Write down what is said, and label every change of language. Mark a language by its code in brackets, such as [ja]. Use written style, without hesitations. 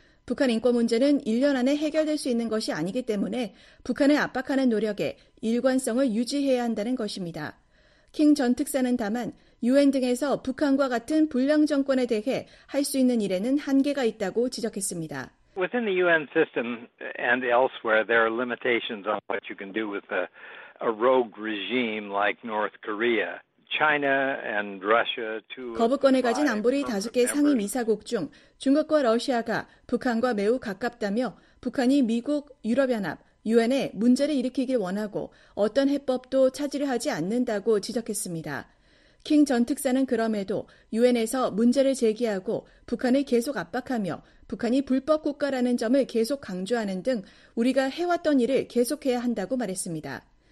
[ko] 북한 인권 문제는 1년 안에 해결될 수 있는 것이 아니기 때문에 북한을 압박하는 노력에 일관성을 유지해야 한다는 것입니다. 킹 전 특사는 다만 유엔 등에서 북한과 같은 불량 정권에 대해 할 수 있는 일에는 한계가 있다고 지적했습니다. [en] Within the UN system and elsewhere, there are limitations on what you can do with a rogue regime like North Korea, China, and Russia. [ko] 거부권에 가진 안보리 다섯 개 상임 이사국 중 중국과 러시아가 북한과 매우 가깝다며 북한이 미국, 유럽연합, UN에 문제를 일으키길 원하고 어떤 해법도 차지를 하지 않는다고 지적했습니다. 킹 전 특사는 그럼에도 UN에서 문제를 제기하고 북한을 계속 압박하며 북한이 불법 국가라는 점을 계속 강조하는 등 우리가 해왔던 일을 계속해야 한다고 말했습니다.